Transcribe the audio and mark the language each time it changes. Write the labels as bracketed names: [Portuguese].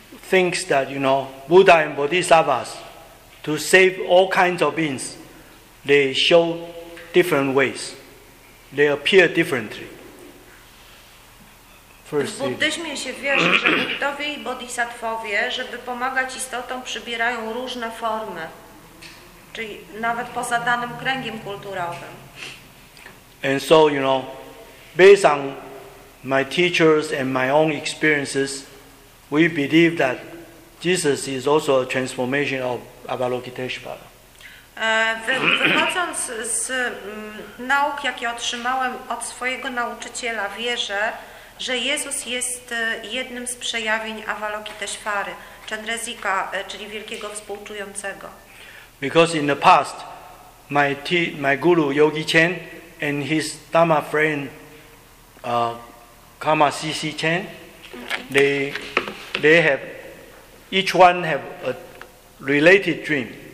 [English] thinks that, you know, Buddha and Bodhisattvas, to save all kinds of beings, they show different ways. They appear differently. [Polish] W buddyzmie się wierzy, że buddowie i bodhisattwowie, żeby pomagać istotom, przybierają różne formy. Czyli nawet poza danym kręgiem kulturowym. [English] And so, you know, based on my teachers and my own experiences, we believe that Jesus is also a transformation of Avalokiteshvara. [Polish] Wychodząc z nauk, jakie otrzymałem od swojego nauczyciela, wierzę, że Jezus jest jednym z przejawień Avalokiteshvary, Chandrasika, czyli wielkiego współczującego. [English] Because in the past, my guru Yogi Chen and his Dharma friend Kama Sisi Chen, they have, each one have a related dream.